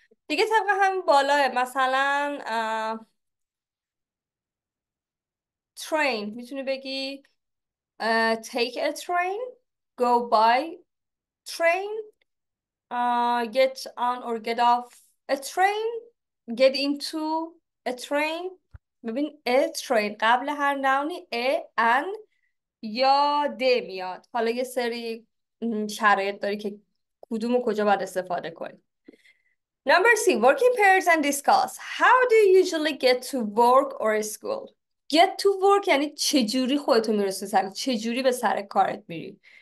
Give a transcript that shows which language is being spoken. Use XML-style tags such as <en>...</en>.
<fa>دیگه طبق همین بالاه, مثلا</fa> <en>train</en> <fa>میتونی بگی</fa> <en>take a train, go by train, get on or get off a train, get into a train.</en> <fa>ببین</fa> <en>a train</en> <fa>قبل هر نونی a an یا د میاد. حالا یه سری شرایط داری که کدوم و کجا باید استفاده کنی.</fa> <en>Number C, working pairs and discuss. How do you usually get to work or school? Get to work</en> <fa>یعنی چجوری خودتو میرسی سر, چجوری به سر کارت میری.</fa>